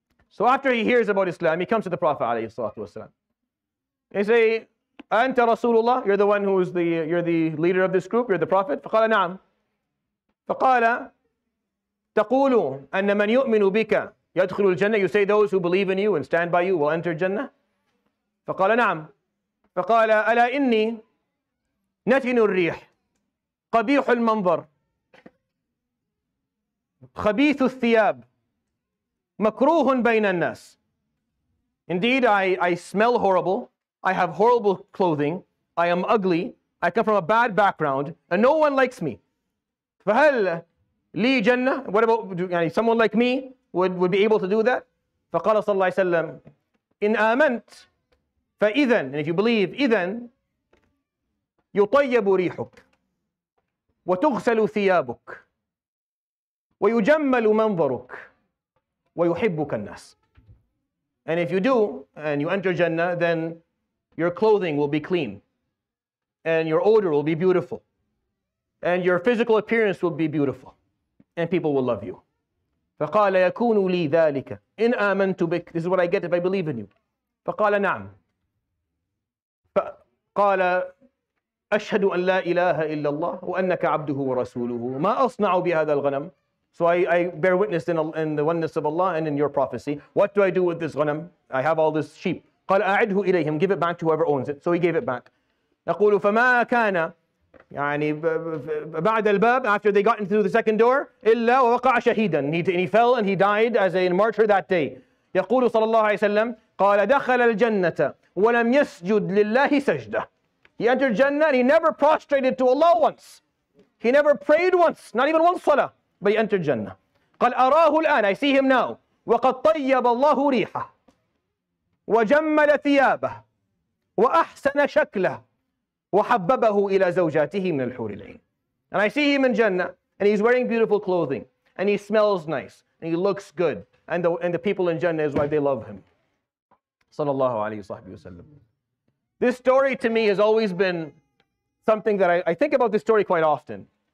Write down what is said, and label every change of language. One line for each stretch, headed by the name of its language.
English: So after he hears about Islam, he comes to the Prophet alayhi salatu wasalam. They say,
Arabic: "Anta Rasulullah,
English: you're the one who is you're the leader of this group, you're the Prophet."
Arabic: فَقَالَ نَعَمْ فَقَالَ تَقُولُ أَنَّ مَنْ يُؤْمِنُ بِكَ يَدْخُلُ الْجَنَّةِ.
English: You say those who believe in you and stand by you will enter Jannah.
Arabic: فَقَالَ نَعَمْ فَقَالَ أَلَا إِنِّي نتن الريح قبيح المنظر خبيث الثياب مكروه بين الناس.
English: Indeed, I smell horrible. I have horrible clothing. I am ugly. I come from a bad background, and no one likes me.
Arabic: فهل لي جنة?
English: What about someone like me would be able to do that?
Arabic: فقال صلى الله عليه وسلم إن آمنت فإذا.
English: And if you believe,
Arabic: إذن يطيب ريحك وتغسل ثيابك ويجمل منظرك ويحبك الناس.
English: And if you do and you enter Jannah, then your clothing will be clean and your odor will be beautiful and your physical appearance will be beautiful and people will love you.
Arabic: فقال يكون لي ذلك إن آمنت بك.
English: This is what I get if I believe in you.
Arabic: فقال نعم فقال أشهد أن لا إله إلا الله وأنك عبده ورسوله ما أصنع بهذا الغنم.
English: So I bear witness in the oneness of Allah and in your prophecy. What do I do with this غنم? I have all this sheep.
Arabic: قال أعده إليهم.
English: Give it back to whoever owns it. So he gave it back.
Arabic: نقول فما كان يعني بعد الباب.
English: After they got into the second door,
Arabic: إلا وقع شهيدا.
English: He fell and he died as a martyr that day.
Arabic: يقول صلى الله عليه وسلم قال دخل الجنة ولم يسجد لله سجدة.
English: He entered Jannah and he never prostrated to Allah once. He never prayed once, not even one salah, but he entered Jannah.
Arabic: قال أراه الآن.
English: I see him now.
Arabic: وقد طيب الله ريحه وجمل ثيابه وأحسن شكله وحببه إلى زوجاته من الحور العين.
English: And I see him in Jannah and he's wearing beautiful clothing and he smells nice and he looks good and the people in Jannah is why they love him.
Arabic: صلى الله عليه وسلم.
English: This story to me has always been something that I think about this story quite often.